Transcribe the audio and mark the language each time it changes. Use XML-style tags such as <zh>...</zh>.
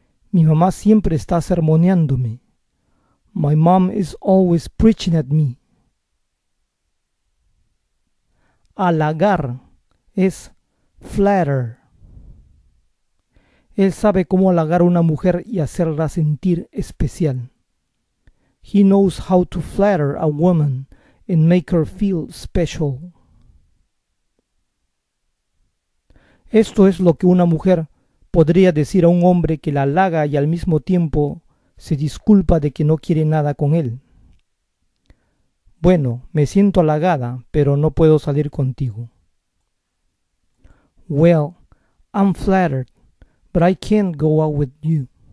<es>Mi mamá siempre está sermoneándome.</es> <en>My mom is always preaching at me.</en> <es>Halagar es flatter. Él sabe cómo halagar a una mujer y hacerla sentir especial.</es> <en>He knows how to flatter a woman and make her feel special.</en> <es>Esto es lo que una mujer podría decir a un hombre que la halaga y al mismo tiempo se disculpa de que no quiere nada con él. Bueno, me siento halagada, pero no puedo salir contigo.</es> <en>Well, I'm flattered, but I can't go out with you.</en>